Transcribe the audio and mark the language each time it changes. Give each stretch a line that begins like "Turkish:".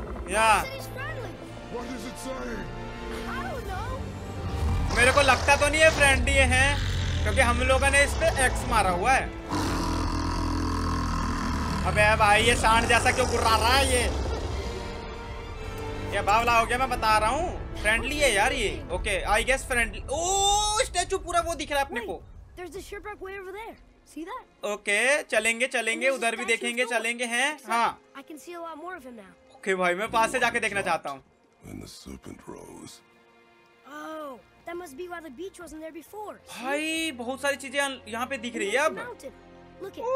English: Yeah. What is it saying? I don't know.
Hindi: मेरे को लगता तो नहीं है फ्रेंड ये हैं, क्योंकि हम लोगों ने इस पे एक्स मारा हुआ है। अबे भाई ये सांड जैसा क्यों गुर्रा रहा है ये? ये बावला हो गया, मैं बता रहा हूँ फ्रेंडली है यार ये।
English: Okay I guess friendly.
Hindi: O statue पूरा वो दिख रहा है अपने को।
English: There's a shipwreck way over there. See that?
Hindi: Okay चलेंगे चलेंगे उधर भी देखेंगे चलेंगे हैं।
English: हाँ I can see a lot more of him now.
Hindi: Okay भाई मैं पास से जाके देखना चाहता हूँ।
English: When the serpent rose. Oh, that must be why the beach wasn't there before.
Hindi: भाई बहुत सारी चीजें यहाँ पे दिख रही है अब।